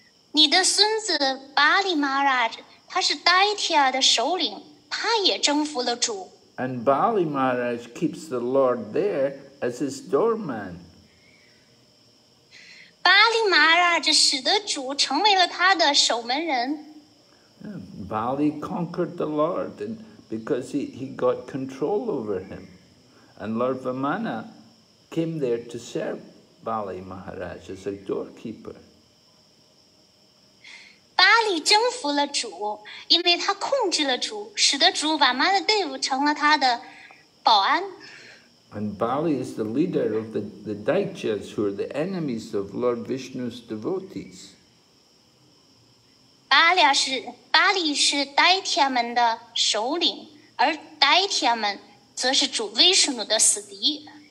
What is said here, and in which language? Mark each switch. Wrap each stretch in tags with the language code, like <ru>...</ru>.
<zh>你的孙子巴利马拉，他是戴提亚的首领，他也征服了主。</zh> <en>And Bali Maharaj keeps the Lord there as his doorman.</en> <zh>巴利马拉使得主成为了他的守门人。</zh> <en>Bali conquered the Lord, and because he got control over him. And Lord Vimana came there to serve Bali Maharaj as a doorkeeper.</en> <zh>Bali 征服了主, 因为他控制了主, 使得主把妈的队伍成了他的保安。</zh> <en>And Bali is the leader of the Daityas, who are the enemies of Lord Vishnu's devotees.</en> <zh>Bali是 Daitya们的首领, 而Daitya们则是主Vishnu的死敌。</zh>